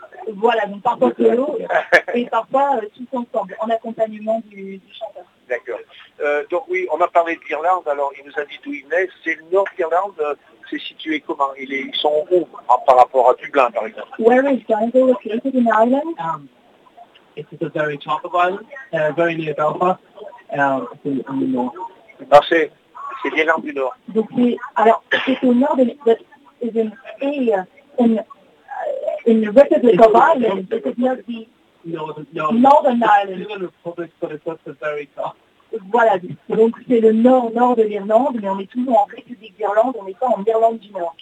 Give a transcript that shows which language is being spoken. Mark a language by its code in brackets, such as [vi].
[fr] Voilà, donc parfois solo, et parfois tout ensemble, en accompagnement du chanteur. D'accord. Donc oui, on a parlé de l'Irlande, alors il nous a dit d'où il naît, c'est le nord d'Irlande. C'est situé comment? Ils sont où par rapport à Dublin, par exemple? [en] Where is Donegal located in Ireland? It's at the very top of Ireland, very near Belfast, in the north. [fr] Non, c'est l'Irlande du Nord. Donc, alors, c'est au nord, [en] but is in the Republic of Ireland. It is not the Northern Ireland. It's the Republic, but it's at the very top. [fr] Voilà, donc c'est le nord-nord de l'Irlande, mais on est toujours en République d'Irlande, on n'est pas en Irlande du Nord.